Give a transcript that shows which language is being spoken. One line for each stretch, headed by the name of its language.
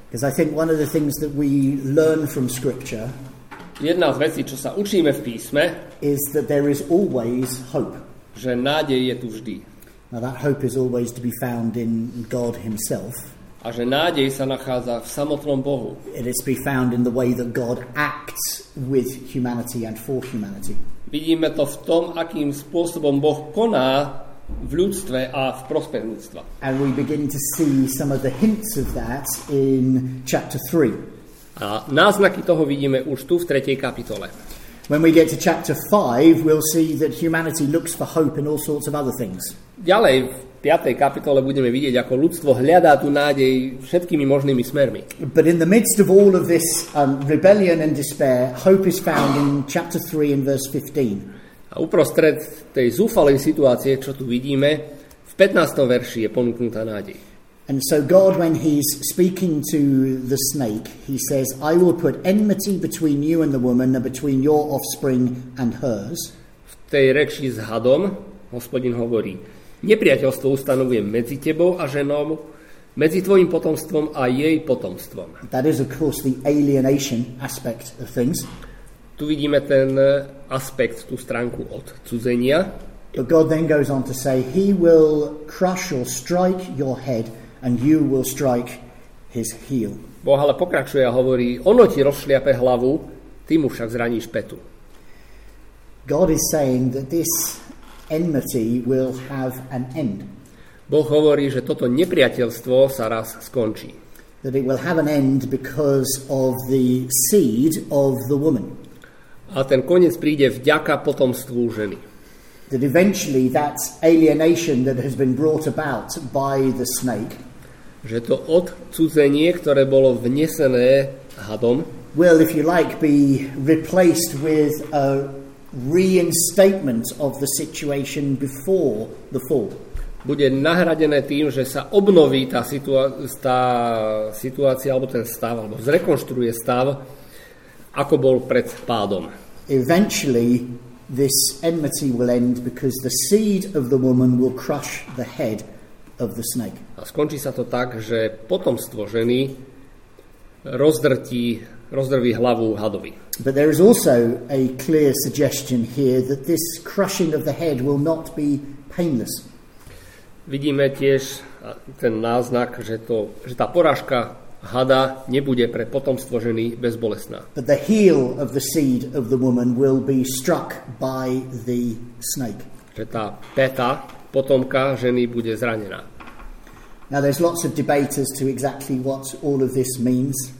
English: Because I think one of the things that we learn from scripture,
Slovak: jedna z vecí, čo sa učíme v písme,
English: is that there is always hope.
Slovak: Že nádej je tu vždy.
English: Now that hope is always to be found in God himself.
Slovak: A že nádej sa nachádza v samotnom Bohu.
English: It is to be found in the way that God acts with humanity and for humanity.
Slovak: Vidíme to v tom, akým spôsobom Boh koná v ľudstve a v prospech ľudstva.
English: And we begin to see some of the hints of that in chapter 3.
Slovak: A náznaky toho vidíme už tu v 3. kapitole.
English: When we get to chapter 5, we'll see that humanity looks for hope in all sorts of other things.
Slovak: Ďalej v 5. kapitole budeme vidieť, ako ľudstvo hľadá tú nádej všetkými možnými smermi.
English: But in the midst of all of this rebellion and despair, hope is found in chapter 3 in verse 15.
Slovak: A uprostred tej zúfalej situácie, čo tu vidíme, v 15. verši je ponúknutá nádej.
English: And so God, when he's speaking to the snake, he says, I will put enmity between you and the woman, and between your offspring and hers.
Slovak: V tej reči s hadom Hospodin hovorí, nepriateľstvo ustanovuje medzi tebou a ženou, medzi tvojim potomstvom a jej potomstvom.
English: That is, of course, the alienation aspect of things.
Slovak: Tu vidíme ten aspekt, tú stránku odcudzenia.
English: But God then goes on to say, he will crush or strike your head and you will strike his heel.
Slovak: Boh ale pokračuje a hovorí, ono ti rozšliape hlavu, ty mu však zraníš petu.
English: God is saying that this enmity will have an end.
Slovak: Boh hovorí, že toto nepriateľstvo sa raz skončí.
English: That it will have an end because of the seed of the woman.
Slovak: A ten koniec príde vďaka potomstvu ženy.
English: That eventually that alienation that has been brought about by the snake,
Slovak: že to odcudzenie, ktoré bolo vnesené hadom,
English: will, if you like, be replaced with a reinstatement of the situation before the fall.
Slovak: Bude nahradené tým, že sa obnoví tá situácia alebo ten stav, alebo zrekonštruuje stav, ako bol pred pádom.
English: Eventually this enmity will end because the seed of the woman will crush the head of the snake.
Slovak: A skončí sa to tak, že potomstvo ženy rozdrví hlavu hadovi.
English: But there is also a clear suggestion here that this crushing of the head will not be painless.
Slovak: Vidíme tiež ten náznak, že tá porážka hada nebude pre potomstvo ženy bezbolestná.
English: But the heel of the seed of the woman will be struck by the snake.
Slovak: Že tá peta potomka ženy bude zranená.
English: Now there's lots of debate as to exactly what all of this means.